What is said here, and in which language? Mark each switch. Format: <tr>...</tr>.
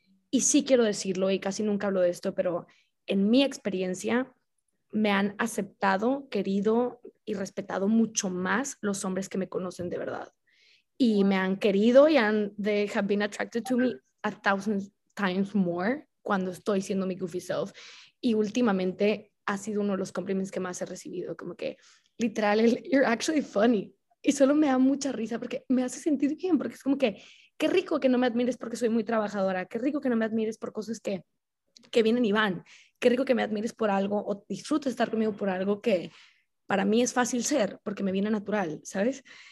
<es>Y sí quiero decirlo y casi nunca hablo de esto, pero en mi experiencia me han aceptado, querido y respetado mucho más los hombres que me conocen de verdad. Y me han querido y han,</es> <en>they have been attracted to me 1,000 times more</en> <es>cuando estoy siendo mi</es> <en>goofy self.</en> <es>Y últimamente ha sido uno de los compliments que más he recibido. Como que, literal,</es> <en>you're actually funny.</en> <es>Y solo me da mucha risa porque me hace sentir bien. Porque es como que, qué rico que no me admires porque soy muy trabajadora. Qué rico que no me admires por cosas que vienen y van. Qué rico que me admires por algo o disfrutes estar conmigo por algo que para mí es fácil ser porque me viene natural, ¿sabes?</es>